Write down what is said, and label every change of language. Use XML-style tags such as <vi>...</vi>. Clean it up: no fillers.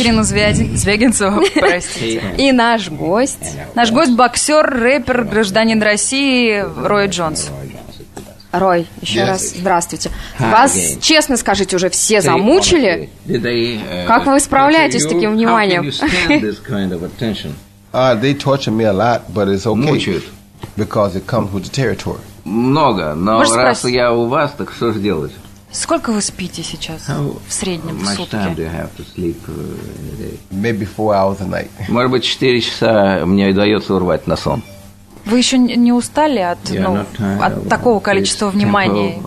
<ru>Ирина Звягинцева, простите. И наш гость. Наш гость – боксер, рэпер, гражданин России Рой Джонс. Рой, еще раз здравствуйте. Вас, честно скажите, уже все замучили? Как вы справляетесь с таким вниманием?</ru> <en>They torture me a lot, but it's okay.</en> <ru>Мучают.</ru> <en>Because it comes with the territory.</en> <ru>Много, но раз я у вас, так что же делать? Сколько вы спите сейчас в среднем в сутки?</ru> <en>Maybe 4 hours a night.</en> <ru>Может быть, 4 часа мне удается урвать на сон. Вы еще не устали от, ну, от такого количества внимания?</ru>